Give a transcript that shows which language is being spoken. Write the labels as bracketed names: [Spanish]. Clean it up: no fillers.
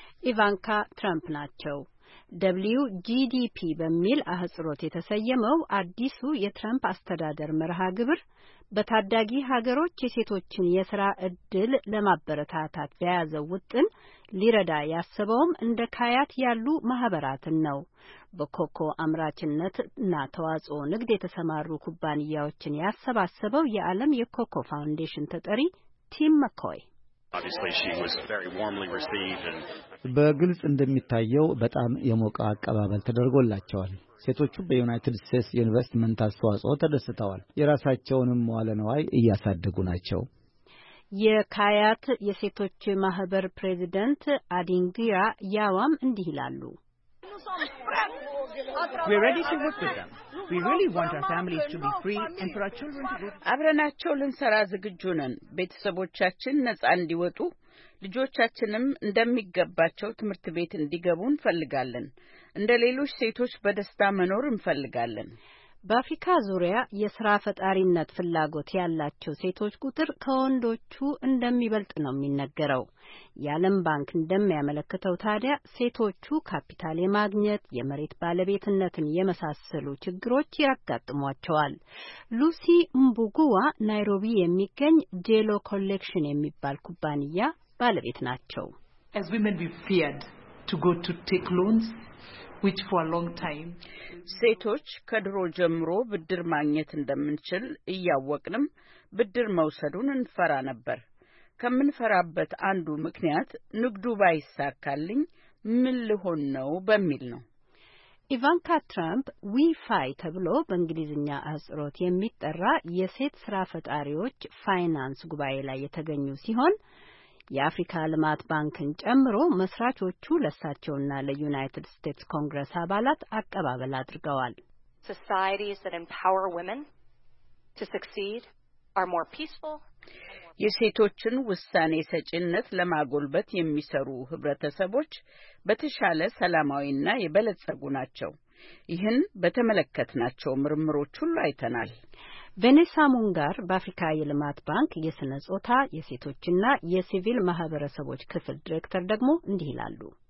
[Amharic] ኢቫንካ ትራምፕ ናቸው። WGDP በሚል አህጽሮት የተሰየመው አዲሱ የትራምፕ አስተዳደር መርሃ ግብር በታዳጊ ሀገሮች የሴቶችን የሥራ ዕድል ለማበረታታት በያዘው ውጥን ሊረዳ ያሰበውም እንደ ካያት ያሉ ማህበራትን ነው። በኮኮ አምራችነት እና ተዋጽኦ ንግድ የተሰማሩ ኩባንያዎችን ያሰባሰበው የዓለም የኮኮ ፋውንዴሽን ተጠሪ ቲም መኮይ [English] Obviously she was very warmly received and [Amharic] በግልጽ እንደሚታየው በጣም የሞቀ አቀባበል ተደረገላቸዋል። ሴቶቹ በዩናይትድ ስቴትስ ኢንቨስትመንት አስተዋጽኦ ተደስተዋል። የራሳቸውንም መዋለ ንዋይ እያሳደጉ ናቸው። የካያት የሴቶች ማህበር ፕሬዝዳንት አዲንግያ ያዋም እንዲህ ይላሉ። [English] We're ready to work with them. We really want our families to be free and for our children to go. [Amharic] አብረናቸው ልንሰራ ዝግጁ ነን። ቤተሰቦቻችን ነጻ እንዲወጡ ልጆቻችንም እንደሚገባቸው ትምርት ቤት እንዲገቡን ፈልጋለን። እንደሌሎች ሴቶች በደስታ መኖር እንፈልጋለን። በአፍሪካ ዙሪያ የሥራ ፈጣሪነት ፍላጎት ያላቸው ሴቶች ቁጥር ከወንዶቹ እንደሚበልጥ ነው የሚነገረው። የዓለም ባንክ እንደሚያመለክተው ታዲያ ሴቶቹ ካፒታል የማግኘት የመሬት ባለቤትነትን የመሳሰሉ ችግሮች ያጋጥሟቸዋል። ሉሲ ምቡጉዋ ናይሮቢ የሚገኝ ጄሎ ኮሌክሽን የሚባል ኩባንያ ባለቤት ናቸው። [English] As women we feared to go to take loans which for a long time [Amharic] ሴቶች ከድሮ ጀምሮ ብድር ማግኘት እንደምንችል ያወቅንም ብድር መውሰዱን እንፈራ ነበር። ከምንፈራበት አንዱ ምክንያት ንግዱ ባይሳካልኝ ምን ልሆን ነው በሚል ነው። ኢቫንካ ትራምፕ ዊፋይ ተብሎ በእንግሊዝኛ አጽሮት የሚጠራ የሴት ሥራ ፈጣሪዎች ፋይናንስ ጉባኤ ላይ የተገኙ ሲሆን የአፍሪካ ልማት ባንክን ጨምሮ መስራቾቹ ለሳቸውና ለዩናይትድ ስቴትስ ኮንግረስ አባላት አቀባበል አድርገዋል። [English] Societies that empower women to succeed are more peaceful. [Amharic] የሴቶችን ውሳኔ ሰጪነት ለማጎልበት የሚሰሩ ህብረተሰቦች በተሻለ ሰላማዊና የበለጸጉ ናቸው። ይህን በተመለከትናቸው ምርምሮች ሁሉ አይተናል። ቬኔሳ ሙንጋር በአፍሪካ የልማት ባንክ የሥነ ጾታ የሴቶችና የሲቪል ማህበረሰቦች ክፍል ዲሬክተር ደግሞ እንዲህ ይላሉ።